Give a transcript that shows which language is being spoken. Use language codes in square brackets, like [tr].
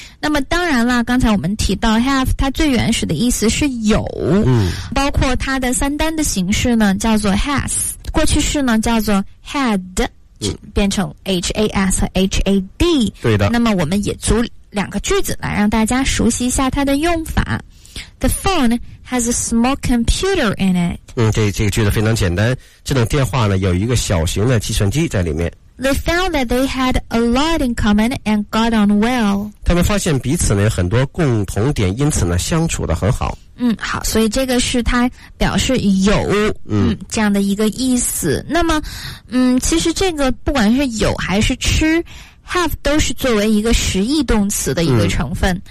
[zh] 那么当然了，刚才我们提到 have 它最原始的意思是有，包括它的三单的形式呢叫做 has， 过去式呢叫做 had，变成 has 和 had。对的，那么我们也组两个句子来让大家熟悉一下它的用法。 [en] The phone has a small computer in it。 [zh] 这个句子非常简单，这种电话呢有一个小型的计算机在里面。 [en] They found that they had a lot in common and got on well。 [zh] 他们发现彼此呢很多共同点，因此呢相处得很好。好，所以这个是它表示有这样的一个意思。那么其实这个不管是有还是吃， have 都是作为一个实义动词的一个成分。